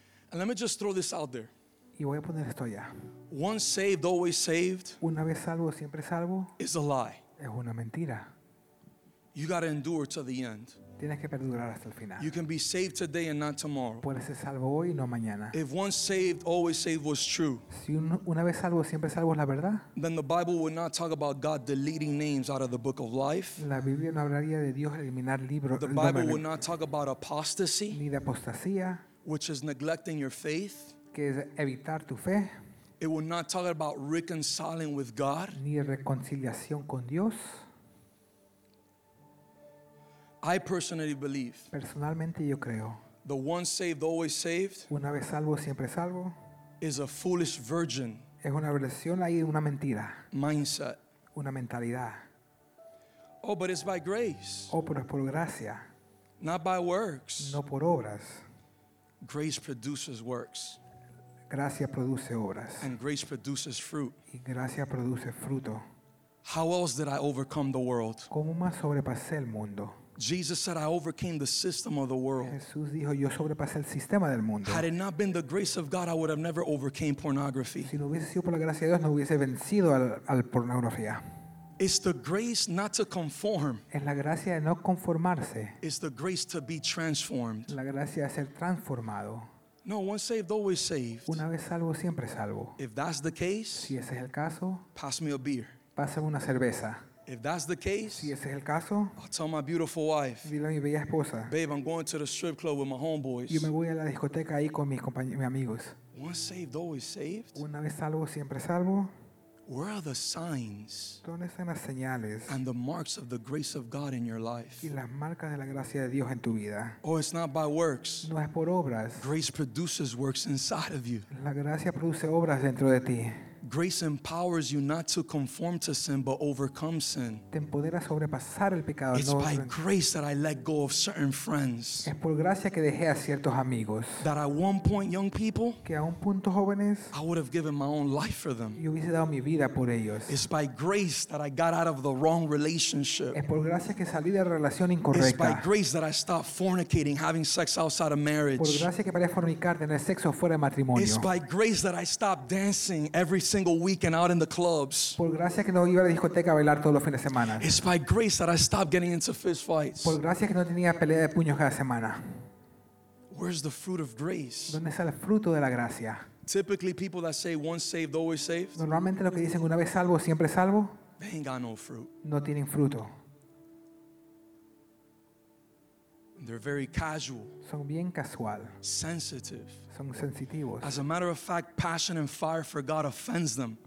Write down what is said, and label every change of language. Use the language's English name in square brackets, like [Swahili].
[English] And let me just throw this out there. [Spanish] Y voy a poner esto allá. [English] Once saved, always saved. [Spanish] Una vez salvo, siempre salvo. [English] Is a lie. [Spanish] Es una mentira. [English] You got to endure to the end. [Spanish] Tienes que perdurar hasta el final. [English] You can be saved today and not tomorrow. [Spanish] Puedes ser salvo hoy y no mañana. [English] If once saved, always saved was true. [Spanish] Si una vez salvo, siempre salvo es la verdad. [English] Then the Bible would not talk about God deleting names out of the book of life. [Spanish] La Biblia no hablaría de Dios eliminar libros. [English] The Bible would not talk about apostasy. [Spanish] Ni de apostasía. [English] Which is neglecting your faith. [Spanish] Que es evitar tu fe. [English] It will not talk about reconciling with God. [Spanish] Ni reconciliación con Dios. [English] I personally believe. [Spanish] Personalmente yo creo. [English] The once saved, always saved. [Spanish] Una vez salvo, siempre salvo. [English] Is a foolish virgin. [Spanish] Es una versión ahí, una mentira. [English] Mindset. [Spanish] Una mentalidad. [English] Oh, but it's by grace. [Spanish] Oh, pero es por gracia. [English] Not by works. [Spanish] No por obras. [English] Grace produces works. [Spanish] Gracia produce obras. [English] And grace produces fruit. [Spanish] Y gracia produce fruto. [English] How else did I overcome the world? [Spanish] ¿Cómo más sobrepasé el mundo? [English] Jesus said, I overcame the system of the world. [Spanish] Jesús dijo, yo sobrepasé el sistema del mundo. [English] Had it not been the grace of God, I would have never overcame pornography. [Spanish] Si no hubiese sido por la gracia de Dios, no hubiese vencido al pornografía. [English] It's the grace not to conform. [Spanish] Es la gracia de no conformarse. [English] It's the grace to be transformed. [Spanish] La gracia de ser transformado. [English] No, once saved, always saved. [Spanish] Una vez salvo, siempre salvo. [English] If that's the case, [Spanish] si ese es el caso, [English] pass me a beer. [Spanish] Pásame una cerveza. [English] If that's the case, [Spanish] si ese es el caso, [English] I'll tell my beautiful wife, [Spanish] dile a mi bella esposa, [English] babe, I'm going to the strip club with my homeboys. [Spanish] Yo me voy a la discoteca ahí con mis amigos. [English] Once saved, always saved. [Spanish] Una vez salvo, siempre salvo. [English] Where are the signs? [Spanish] ¿Dónde están las señales? [English] And the marks of the grace of God in your life. [Spanish] Y las marcas de la gracia de Dios en tu vida. [English] Oh, it's not by works. [Spanish] No es por obras. [English] Grace produces works inside of you. [Spanish] La gracia produce obras dentro de ti. [English] Grace empowers you not to conform to sin, but overcome sin. [Spanish] Te empodera sobrepasar el pecado. [English] It's by grace that I let go of certain friends. [Spanish] Es por gracia que dejé a ciertos amigos. [English] That at one point, young people, [Spanish] que a un punto jóvenes, [English] I would have given my own life for them. [Spanish] Yo hubiese dado mi vida por ellos. [English] It's by grace that I got out of the wrong relationship. [Spanish] Es por gracia que salí de la relación incorrecta. [English] It's by grace that I stopped fornicating, having sex outside of marriage. [Spanish] Por gracia que paré de fornicar, tener sexo fuera de matrimonio. [English] It's by grace that I stopped dancing every single weekend out in the clubs. [Spanish] Por gracia que no iba a la discoteca a bailar todos los fines de semana. [English] It's by grace that I stopped getting into fist fights. [Spanish] Por gracia que no tenía pelea de puños cada semana. [English] Where's the fruit of grace? [Spanish] ¿Dónde está el fruto de la gracia? [English] Typically, people that say once saved, always saved. [Spanish] Normalmente lo que dicen una vez salvo, siempre salvo. [English] They ain't got no fruit. [Spanish] No tienen fruto. [English] They're very casual. [Spanish] Son bien casual. [English] Sensitive. [Spanish] Son sensitivos. [English] As a matter of fact, passion and fire for God offends them.